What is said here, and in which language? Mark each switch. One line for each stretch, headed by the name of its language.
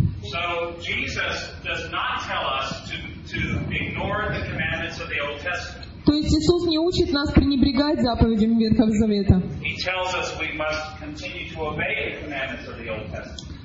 English: So Jesus does not tell us to ignore the commandments of the Old Testament.
Russian: То есть Иисус не учит нас пренебрегать заповедями Ветхого Завета.
English: He tells us we must continue to obey the commandments of the Old Testament.